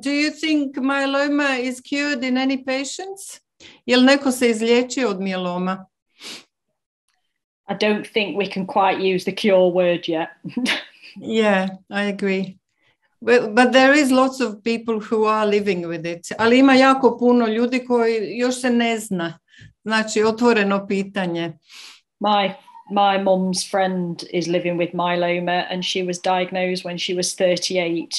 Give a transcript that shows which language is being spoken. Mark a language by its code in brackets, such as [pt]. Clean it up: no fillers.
[en] Do you think myeloma is cured in any patients? [hr] Je li neko se izliječio od mieloma? [en] I don't think we can quite use the cure word yet. Yeah, I agree. But there is lots of people who are living with it. [hr] Ali ima jako puno ljudi koji još se ne zna. Znači, otvoreno pitanje. [en] My mum's friend is living with myeloma and she was diagnosed when she was 38.